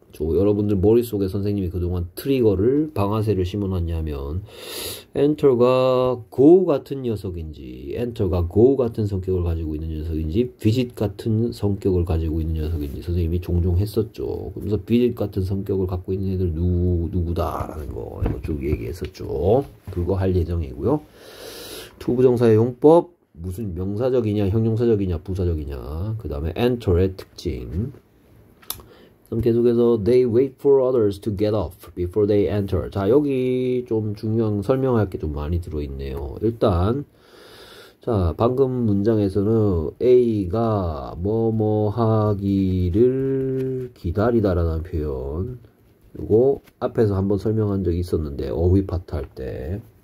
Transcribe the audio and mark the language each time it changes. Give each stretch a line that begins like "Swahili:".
Korean: 여러분들 머릿속에 선생님이 그동안 트리거를, 방아쇠를 심어놨냐면, 엔터가 고 같은 녀석인지, 엔터가 고 같은 성격을 가지고 있는 녀석인지, 비짓 같은 성격을 가지고 있는 녀석인지, 선생님이 종종 했었죠. 그러면서 비짓 같은 성격을 갖고 있는 애들 누구다라는 거, 이거 쭉 얘기했었죠. 그거 할 예정이고요. 투부정사의 용법, 무슨 명사적이냐, 형용사적이냐, 부사적이냐, 그 다음에 엔터의 특징. 그럼 계속해서
English: they wait for others to get off before they enter.
Korean: 자, 여기 좀 중요한 설명할 게좀 많이 들어있네요. 일단, 자, 방금 문장에서는 A가 뭐뭐 하기를 기다리다라는 표현. 요거 앞에서 한번 설명한 적이 있었는데, 어휘 파트 할 때.